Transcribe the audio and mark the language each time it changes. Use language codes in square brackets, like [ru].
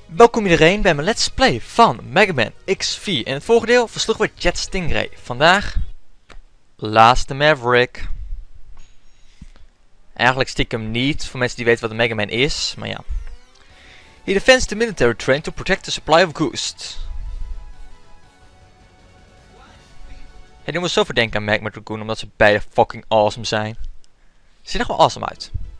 [nl] Welkom iedereen bij mijn Let's Play van Mega Man X4. In het vorige deel versloegen we Jet Stingray. Vandaag, Last Maverick. Eigenlijk stiekem niet, voor mensen die weten wat een Mega Man is, maar ja. [en] He defends the military train to protect the supply of ghost. [nl] Hey, die moet zo verdenken aan Magma Dragoon, omdat ze beide fucking awesome zijn. Ziet er wel awesome uit.